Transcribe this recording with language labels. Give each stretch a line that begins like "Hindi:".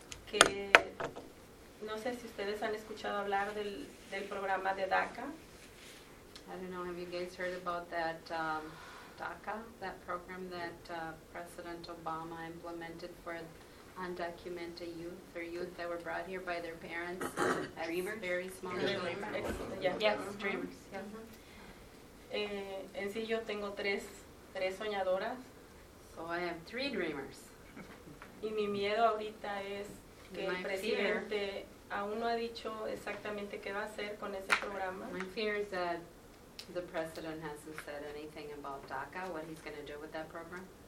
Spanish: Que no sé si ustedes han escuchado hablar del programa de DACA.
English: I don't know, have you guys heard about that DACA, that program that President Obama implemented for undocumented youth, or youth that were brought here by their parents. Dreamers? Very small. Dreamers. Dreamers.
Spanish: En sí, yo tengo tres soñadoras.
English: So I have three dreamers.
Spanish: Y mi miedo ahorita es que el presidente aún no ha dicho exactamente qué va a hacer con ese programa.
English: My fear is that the president hasn't said anything about DACA, what he's going to do with that program.